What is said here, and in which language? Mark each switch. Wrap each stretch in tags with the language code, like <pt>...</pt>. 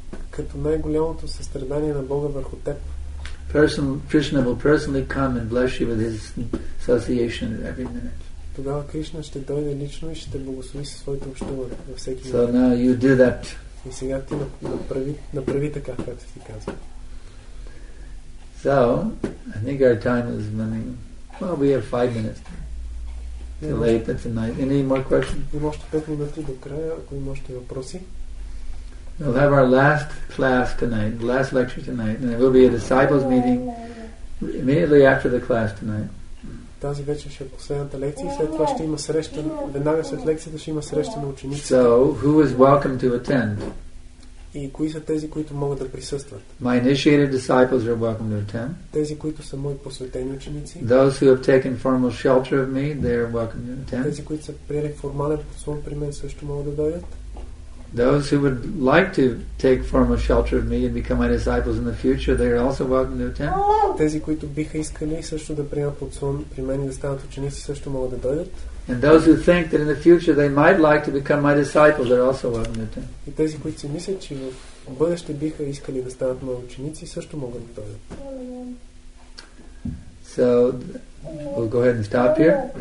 <bg>като най-голямото състрадание на Бога върху теб,</bg> <en>Krishna will personally come and bless you with his association at every minute.</en> <bg>Тогава Кришна ще дойде лично и ще те благослови със своето общуване във всеки момент.</bg> <en>So now you do that.</en> <bg>И сега ти направи така, както ти казвам.</bg> <en>So, I think our time is running. Well, we have 5 minutes. Too late, but tonight. Any more questions?</en> <bg>Има още 5 минути до края, ако има още въпроси.</bg> <en>We'll have our last class tonight, the last lecture tonight, and there will be a disciples meeting immediately after the class tonight.</en> <bg>Тази вечер ще е последната лекция и след това ще има среща, веднага след лекцията ще има среща на учениците.</bg> <en>So, who is welcome to attend?</en> <bg>И кои са тези, които могат да присъстват?</bg> <en>My initiated disciples are welcome to attend.</en> <bg>Тези, които са мои посветени ученици.</bg> <en>Those who have taken formal shelter of me, they are welcome to attend.</en> <bg>Тези, които са приели формален подслон при мен, също могат да дойдат.</bg> <en>Those who would like to take formal shelter of me and become my disciples in the future, they are also welcome to attend.</en> <bg>Тези, които биха искали също да приемат подслон при мен и да станат ученици, също могат да дойдат.</bg> <en>And those who think that in the future they might like to become my disciples are also welcome to attend.</en> <bg>И тези, които си мислят, че в бъдеще биха искали да станат мои ученици, също могат да дойдат.</bg> <en>So, we'll go ahead and stop here.</en>